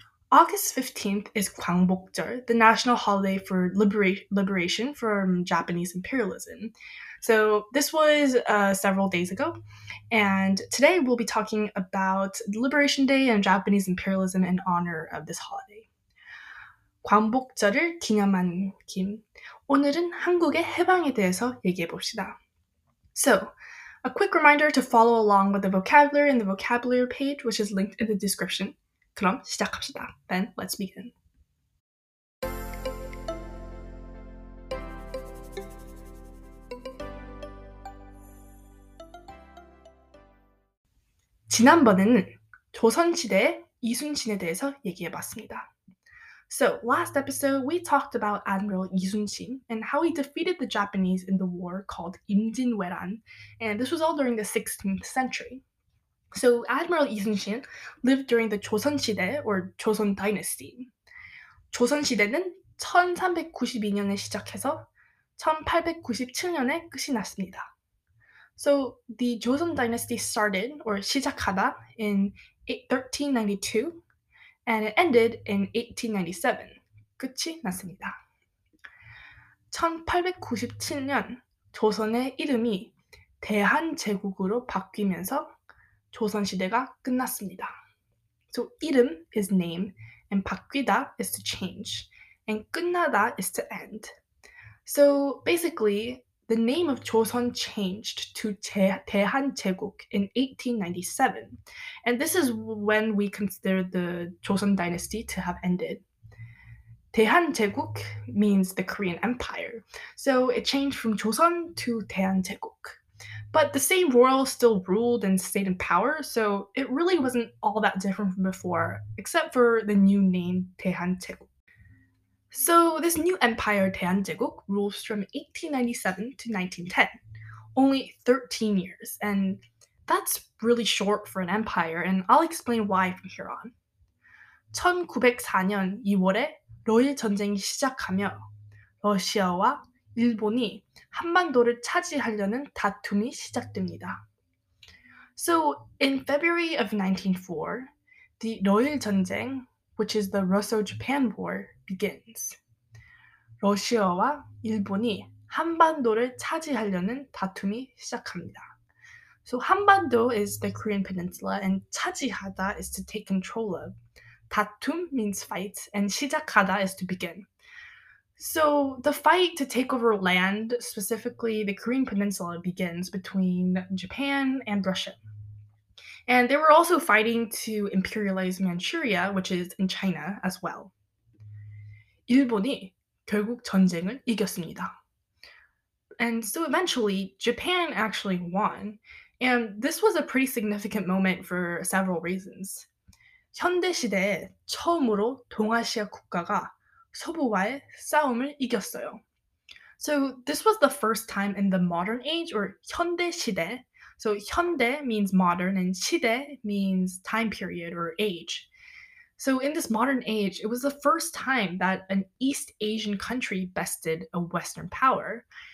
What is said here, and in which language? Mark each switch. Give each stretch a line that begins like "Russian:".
English: August 15th is 광복절, the national holiday for liberation from Japanese imperialism. So this was several days ago, and today we'll be talking about Liberation Day and Japanese imperialism in honor of this holiday.
Korean: 광복절을 기념한 김, 오늘은 한국의 해방에 대해서 얘기해 봅시다.
English: So, a quick reminder to follow along with the vocabulary in the vocabulary page, which is linked in the description.
Korean: 그럼 시작합시다.
English: Then, let's begin.
Korean: 지난번에는 조선시대의 이순신에 대해서 얘기해 봤습니다.
English: So, last episode, we talked about Admiral Lee Sun-shin and how he defeated the Japanese in the war called Imjinweran, and this was all during the 16th century. So, Admiral Lee Sun-shin lived during the Joseon 시대, or Joseon Dynasty.
Korean: Joseon 시대는 1392년에 시작해서 1897년에 끝이 났습니다.
English: So, the Joseon Dynasty started, or 시작하다, in 1392, and it ended in 1897.
Korean: 끝이 났습니다. 1897년 조선의 이름이 대한제국으로 바뀌면서 조선시대가 끝났습니다.
English: So 이름 is name, and 바뀌다 is to change, and 끝나다 is to end. So basically, the name of Joseon changed to 대한제국 in 1897. And this is when we consider the Joseon dynasty to have ended. 대한제국 means the Korean Empire. So it changed from Joseon to 대한제국. But the same royal still ruled and stayed in power, so it really wasn't all that different from before, except for the new name 대한제국. So, this new empire, 대한제국, rules from 1897 to 1910, only 13 years, and that's really short for an empire, and I'll explain why from here on.
Korean: 1904년 2월에 러일 전쟁이 시작하며 러시아와 일본이 한반도를 차지하려는 다툼이 시작됩니다.
English: So, in February of 1904, the 러일 전쟁, which is the Russo-Japan War, begins.
Korean: 러시아와 일본이 한반도를 차지하려는 다툼이 시작합니다.
English: So 한반도 is the Korean Peninsula and 차지하다 is to take control of. 다툼 means fight and 시작하다 is to begin. So the fight to take over land, specifically the Korean Peninsula, begins between Japan and Russia. And they were also fighting to imperialize Manchuria, which is in China, as well.
Korean: 일본이 결국 전쟁을 이겼습니다.
English: And so eventually, Japan actually won. And this was a pretty significant moment for several reasons.
Korean: 현대 시대에 처음으로 동아시아 국가가 서부와의 싸움을 이겼어요.
English: So this was the first time in the modern age, or 현대 시대, so 현대 means modern and 시대 means time period or age. So in this modern age, it was the first time that an East Asian country bested a Western power.